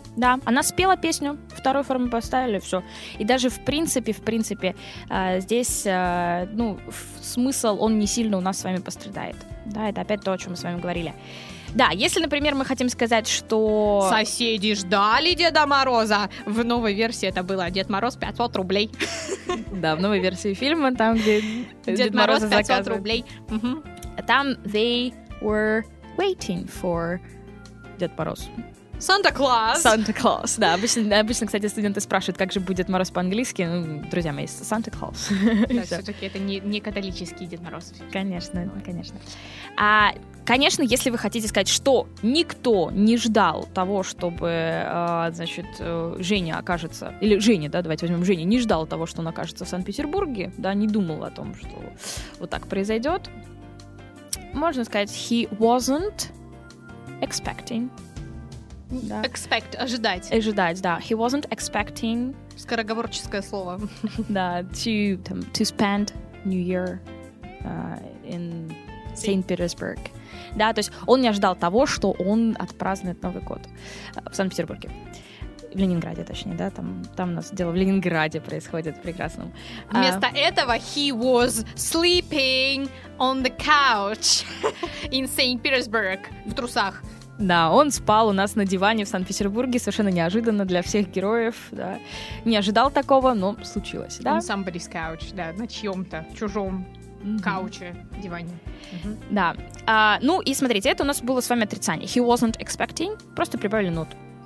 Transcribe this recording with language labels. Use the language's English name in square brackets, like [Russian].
[Russian] Да, она спела песню, вторую форму поставили, все. И даже в принципе, здесь, ну, смысл, он не сильно у нас с вами пострадает. Да, это опять то, о чем мы с вами говорили. Да, если, например, мы хотим сказать, что... Соседи ждали Деда Мороза. В новой версии это было Дед Мороз 500 рублей. Да, в новой версии фильма, там, где Дед Мороз 500 рублей. [English] Там they were waiting for Дед Мороз. [Russian] Санта-Клаус, да. Обычно, кстати, студенты спрашивают, как же будет Мороз по-английски. Ну, друзья мои, Санта-Клаус. Да, все-таки это не католический Дед Мороз. Конечно, конечно. А, конечно, если вы хотите сказать, что никто не ждал того, чтобы, значит, Женя окажется... Или Женя, да, давайте возьмем Женя, не ждал того, что он окажется в Санкт-Петербурге, да, не думал о том, что вот так произойдет. [English] Можно сказать, he wasn't expecting... [Russian] Да. Expect — ожидать. Ожидать, да. [English] He wasn't expecting... [Russian] Скороговорческое слово. [English] Да, to spend New Year in St. Petersburg. [Russian] Да, то есть он не ожидал того, что он отпразднует Новый год в Санкт-Петербурге. В Ленинграде, точнее, да, там у нас дело в Ленинграде происходит, прекрасно. Вместо этого [English] he was sleeping on the couch in St. [Russian] Petersburg в трусах. Да, он спал у нас на диване в Санкт-Петербурге совершенно неожиданно для всех героев, да. Не ожидал такого, но случилось, да. [English] On somebody's couch, [Russian] да, на чьем-то чужом кауче, диване. Да, ну и смотрите, это у нас было с вами отрицание. [English] He wasn't expecting, [Russian] просто прибавили ноту.